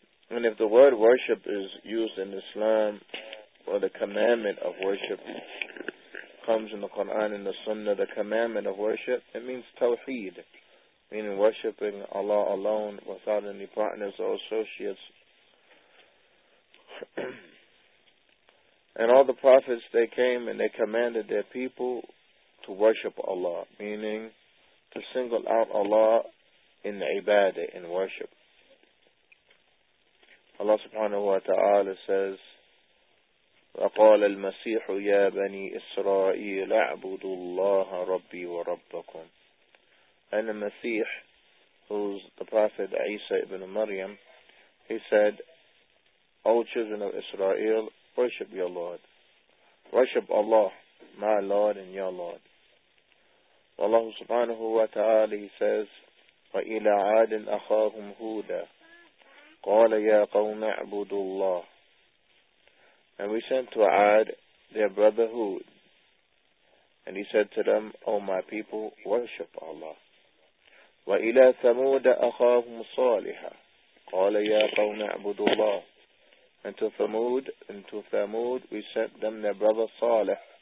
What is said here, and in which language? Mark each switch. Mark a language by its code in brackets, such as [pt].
[en] And if the word worship is used in Islam, or the commandment of worship comes in the Quran and the Sunnah, the commandment of worship, it means tawheed, meaning worshiping Allah alone without any partners or associates. And all the prophets, they came and they commanded their people to worship Allah, meaning to single out Allah in ibadah, in worship. Allah subhanahu wa ta'ala says, [ar] وَقَالَ الْمَسِيحُ يَا بَنِي إِسْرَائِيلَ اَعْبُدُوا اللَّهَ رَبِّي وَرَبَّكُمْ. [en] And the Masih, who's the Prophet Isa ibn Maryam, he said, O children of Israel, worship your Lord. Worship Allah, my Lord and your Lord. Allah subhanahu wa ta'ala, he says, [ar] وَإِلَىٰ عَادٍ أَخَاهُمْ هُودًا قَالَ يَا قَوْمَ اَعْبُدُوا اللَّهَ. [en] And we sent to Ad, their brother Hud. And he said to them, O my people, worship Allah. [ar] وَإِلَىٰ ثَمُودَ أَخَاهُمْ صَالِحًا قَالَ يَا قَوْمَ اعْبُدُوا اللَّهَ. [en] And to Thamud, we sent them their brother Salih.